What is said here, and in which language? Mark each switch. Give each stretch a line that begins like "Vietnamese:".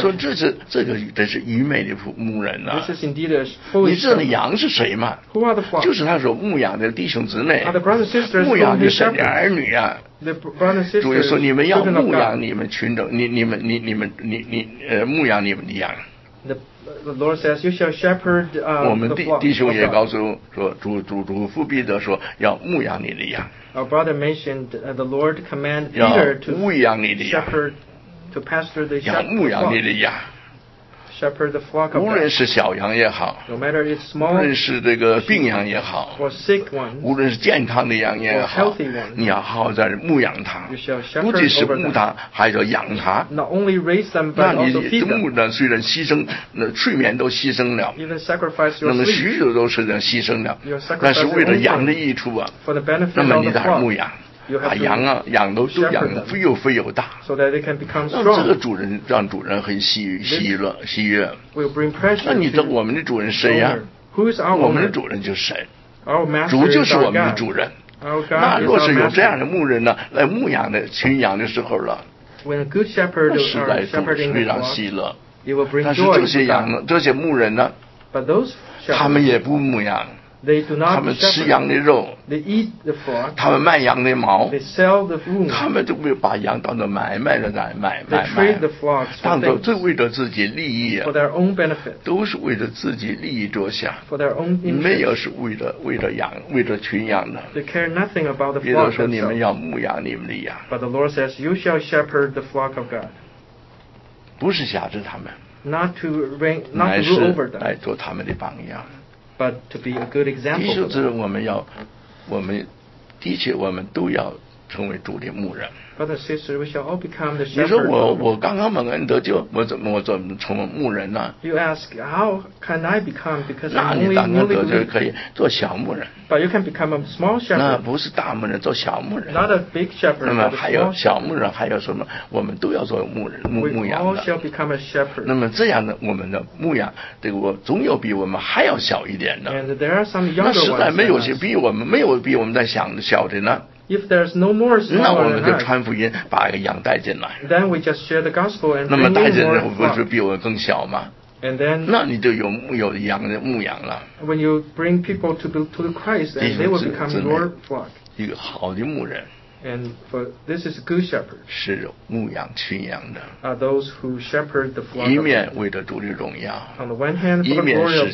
Chinese: 说这是愚昧的牧人呐、啊。
English: This is indeed a foolish.
Chinese: 你知道羊是谁吗
English: ？Who are the flock?
Chinese: 就是他说牧羊的弟兄姊妹。
English: Are the brothers and sisters?
Chinese: 牧羊的神的儿女啊。
English: The brothers and sisters.
Chinese: 主耶稣，你们要牧羊你们群众，你们牧羊你们的羊。
English: The Lord says, "You shall shepherd the flock."
Chinese: 我们弟兄也告诉说，主父彼得说要牧养你的羊。
English: Our brother mentioned the Lord command Peter to shepherd, to pastor the flock.
Chinese: 要牧养你的羊。
English: Shepherd the flock.
Chinese: 无论是小羊也好
English: ，no matter it's small，
Chinese: 无论是这个病羊也好
English: ，or sick one，
Chinese: 无论是健康的羊也好
English: ，or healthy one，
Chinese: 你要好好在牧养它。
English: You shall shepherd over them.
Chinese: 不仅是牧它，还要养它。
English: Not only raise them, but also feed them.
Chinese: 那你牧呢？虽然牺牲，那睡眠都牺牲了
English: ，even sacrifice your sleep，
Chinese: 那么许许多都是这样牺牲了。
English: You sacrifice your own.
Chinese: 但是为了羊的益处啊
English: ，for the benefit of the flock，
Chinese: 那么你在牧养。把羊啊，羊都
English: shepherd them,
Chinese: 养的肥又肥又大。
English: So that they can become strong.
Chinese: 那这个主人让主人很喜悦。
English: Will bring pressure.
Chinese: 那你的我们的主人谁呀、
English: 啊、？Who is our
Chinese: 我们的主人就是神。
English: Our master
Chinese: 主就是我们的主人。
English: Our God is our master.
Chinese: 那若是有这样的牧人呢，来牧养的群羊的时候了
English: ，When a good shepherd is our shepherd in the flock,
Chinese: 非常喜乐。
English: It will bring joy.
Chinese: 但是这些羊呢，这些牧人呢
English: ，But those shepherds,
Chinese: 他们也不牧养。
English: They do not
Chinese: 他们吃羊的肉
English: they eat the flock,
Chinese: 他们卖羊的毛
English: they sell the womb,
Chinese: 他们就会把羊当作买卖的来卖
English: they trade the flocks for
Chinese: 当作为了自己利益
English: for their own benefit,
Chinese: 都是为了自己利益着想
English: for their own interest,
Chinese: 没有是为了羊为了群羊的
English: they care nothing about the flock
Chinese: 比如说你们要牧养你们的羊
English: but the Lord says you shall shepherd the flock of God
Chinese: 不是辖制他们
English: not to rule over them
Chinese: 来做他们的榜样
English: But to be a good example.
Chinese: 弟兄姊妹，我们的确，我们都要成为主的牧人。
English: But the sister, we shall all become the shepherd.
Chinese: 你说我刚刚蒙恩得救，我怎么成为牧人呢
English: ？You ask, how can I become? Because I'm only
Chinese: 那你刚刚得救可以做小牧人。
English: But you can become a small shepherd.
Chinese: 那不是大牧人，做小牧人。
English: Not a big shepherd.
Chinese: 那么还有小牧人，还有什么？我们都要做牧人牧羊的。
English: We all shall become a shepherd.
Chinese: 那么这样的我们的牧羊，这个我总有比我们还要小一点的。
English: And there are some younger ones.
Chinese: 那实在没有些比我们没有比我们在想小的呢。
English: If there's no more smaller than us,
Chinese: 那我们就传福音，把一个羊带进来。
English: Then we just share the gospel and bring more flock.
Chinese: 那么带进来，不是比我们更小吗？
English: And then,
Chinese: 那你就有羊的牧羊了。
English: When you bring people to the Christ, and they will become your flock.
Chinese: 一个好的牧人。
English: And for this is a good shepherd.
Chinese: 是牧羊群羊的。
English: Are those who shepherd the flock.
Chinese: 一面为了独立荣耀。
English: On the one hand, for the glory of God.